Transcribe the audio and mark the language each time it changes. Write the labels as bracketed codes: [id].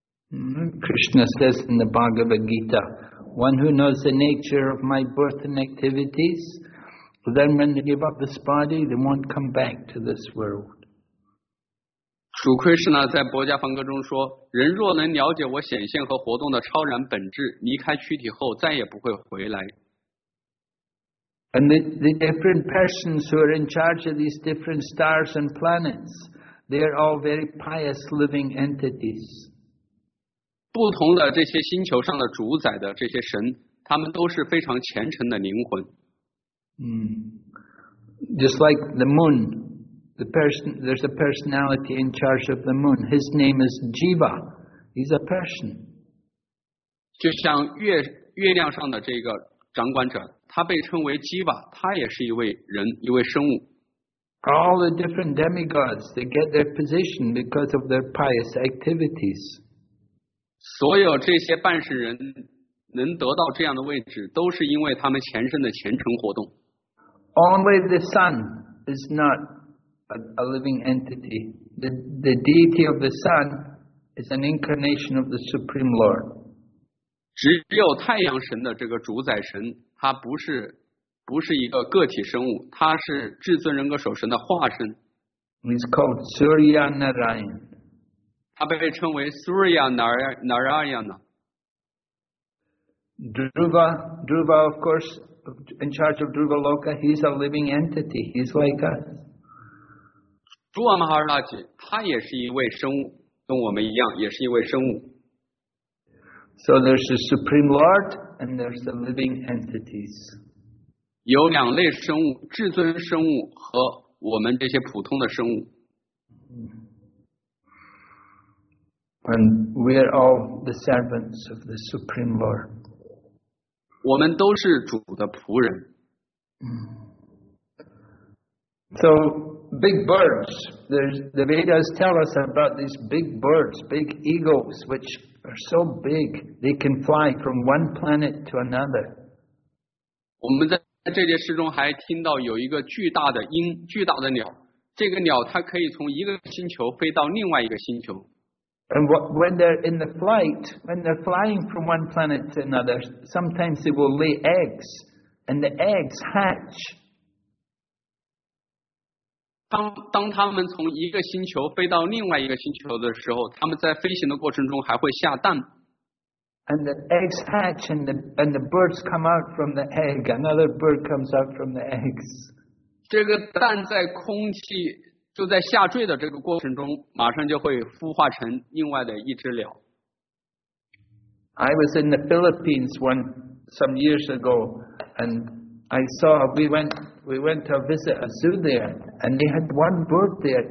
[en] Krishna says in the Bhagavad Gita, one who knows the nature of my birth and activities, then when they give up this body, they won't come back to this world. [zh] 主 Krishna 在《薄伽梵歌》中说，人若能了解我显现和活动的超然本质，离开躯体后再也不会回来。 [en] And the different persons who are in charge of these different stars and planets, they are all very pious living entities. [zh] 不同的这些星球上的主宰的这些神，他们都是非常虔诚的灵魂。 [en] Just like the moon, there's a personality in charge of the moon. His name is Jiva. He's a person. [zh] 就像月亮上的这个掌管者，他被称为 Jiva， 他也是一位人，一位生物。 [en] All the different demigods, they get their position because of their pious activities. [zh] 所有这些半世人能得到这样的位置，都是因为他们前身的虔诚活动。 [en] Only the sun is not a living entity. The deity of the sun is an incarnation of the Supreme Lord. [zh] 只有太阳神的这个主宰神，他不是一个个体生物，他是至尊人格守神的化身。 [en] He's called Surya Narayan. [zh] 他被称为 Surya Narayana。 [en] Dhruva, of course, in charge of Dhruva Loka, he's a living entity. He's like us. [zh] Dhruva Maharaj, 他也是一位生物，跟我们一样，也是一位生物。 [en] So there's the Supreme Lord and there's the living entities. [zh] 有两类生物，至尊生物和我们这些普通的生物。 [en] And we are all the servants of the Supreme Lord. [zh] 我们都是主的仆人。 [en] So big birds, the Vedas tell us about these big birds, big eagles, which are so big they can fly from one planet to another. [zh] 我们在这件事中还听到有一个巨大的鹰，巨大的鸟。这个鸟它可以从一个星球飞到另外一个星球。 [en] And when they're in the flight, when they're flying from one planet to another, sometimes they will lay eggs, and the eggs hatch. [zh] 当他们从一个星球飞到另外一个星球的时候，他们在飞行的过程中还会下蛋。 [en] And the eggs hatch, and the birds come out from the egg. Another bird comes out from the eggs. [zh] 这个蛋在空气。就在下坠的这个过程中，马上就会孵化成另外的一只鸟。 [en] I was in the Philippines some years ago, and I saw we went to visit a zoo there, and they had one bird there.